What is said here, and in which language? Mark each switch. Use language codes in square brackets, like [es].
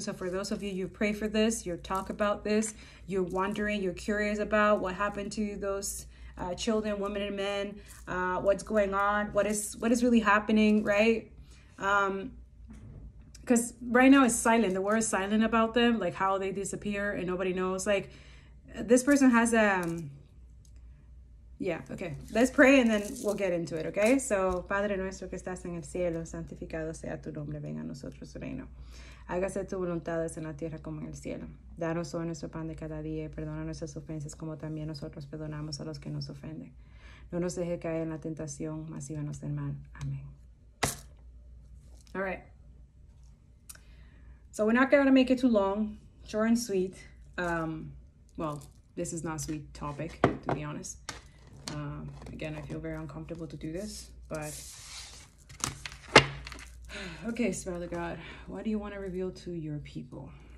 [en] So for those of you, you pray for this, you talk about this, you're wondering, you're curious about what happened to those children, women and men, what's going on, what is really happening, right? Because right now it's silent. The world is silent about them, like how they disappear and nobody knows. Like this person has a... Yeah, okay. Let's pray and then we'll get into it, okay? [es] So, Padre nuestro que estás en el cielo, santificado sea tu nombre, venga a nosotros tu reino. Hágase tu voluntad en la tierra como en el cielo. Danos hoy nuestro pan de cada día y perdona nuestras ofensas como también nosotros perdonamos a los que nos ofenden. No nos deje caer en la tentación, mas líbranos del mal. [en] Amén. All right. So, we're not going to make it too long, short and sweet. Well, this is not a sweet topic, to be honest. Again, I feel very uncomfortable to do this, but okay, Father God, what do you want to reveal to your people?